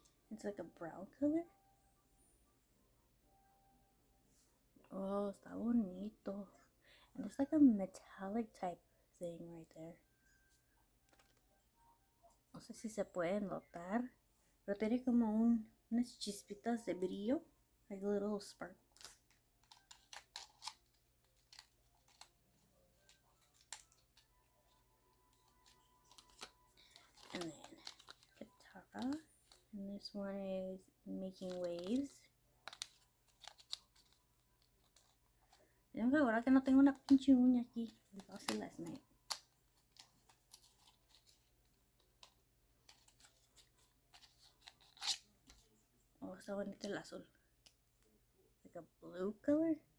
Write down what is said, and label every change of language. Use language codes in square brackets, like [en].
[en] It's like a brown color. [es] Oh, está bonito. [en] And it's like a metallic type thing right there. [es] No sé si se pueden notar, pero tiene como unas chispitas de brillo, [en] like little sparks. And then, Katara, and this one is Making Waves. [es] Tengo que ahora que no tengo una pinche uña aquí, [en] like I said last night. [es] Está bonito el azul. [en] Like a blue color.